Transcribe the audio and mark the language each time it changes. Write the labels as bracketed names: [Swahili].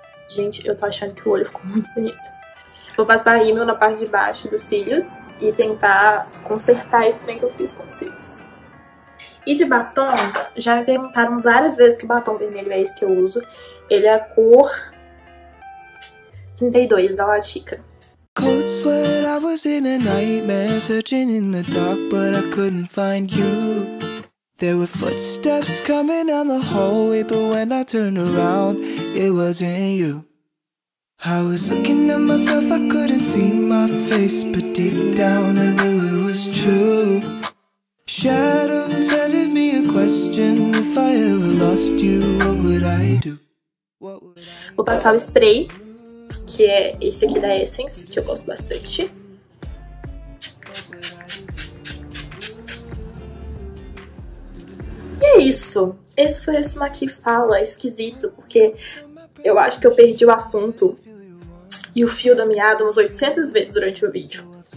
[Portuguese] Gente, eu tô achando que o olho ficou muito bonito. Vou passar rímel na parte de baixo dos cílios e tentar consertar esse trem que eu fiz com os cílios. E de batom, já me perguntaram várias vezes que batom vermelho é esse que eu uso. Ele é a cor 32 da Latika. [English] Cold sweat, I was in a nightmare, searching in the dark, but I couldn't find you. There were footsteps coming down the hallway, but when I turned around, it wasn't you. I was looking at myself, I couldn't see my face, but deep down I knew it was true. Shadows handed me a question, if I ever lost you, what would I do? [Portuguese] Vou passar o spray, que é esse aqui da Essence, que eu gosto bastante. E é isso, esse foi esse Maqui Fala, esquisito, porque eu acho que eu perdi o assunto e o fio da meada umas 800 vezes durante o vídeo.